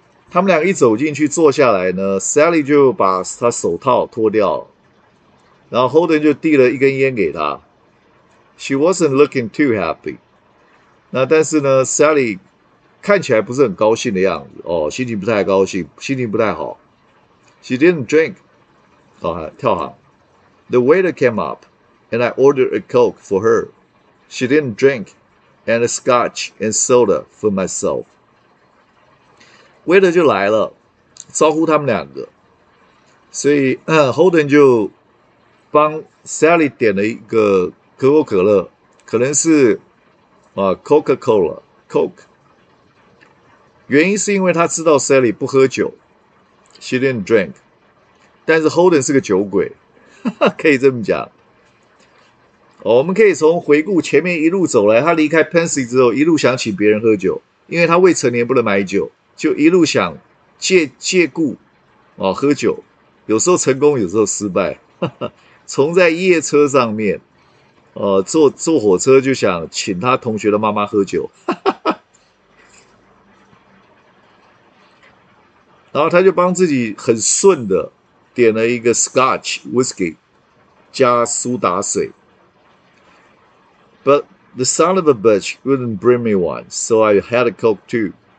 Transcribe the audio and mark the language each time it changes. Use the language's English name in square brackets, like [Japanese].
[Chinese] 他们俩一走进去坐下来呢 ，Sally 就把她手套脱掉，然后 Holden 就递了一根烟给她。 [English] She wasn't looking too happy. [Chinese] 那但是呢 ，Sally 看起来不是很高兴的样子，心情不太高兴，心情不太好。 [English] She didn't drink. [Chinese] 跳行。 [English] The waiter came up, and I ordered a Coke for her. She didn't drink, and a scotch and soda for myself. [Chinese] Waiter 就来了，招呼他们两个。所以Holden 就帮 Sally 点了一个可口可乐，可能是Coca-Cola, Coke。原因是因为他知道 Sally 不喝酒。 [English] She didn't drink. [Chinese] 但是 Holden 是个酒鬼，可以这么讲。我们可以从回顾前面一路走来，他离开 Pensy 之后，一路想请别人喝酒，因为他未成年不能买酒，就一路想借故喝酒，有时候成功，有时候失败。从在夜车上面，坐火车就想请他同学的妈妈喝酒，然后他就帮自己很顺的。点了一个 Scotch whiskey 加苏打水 [English] ，But the son of a bitch wouldn't bring me one, so I had a Coke too.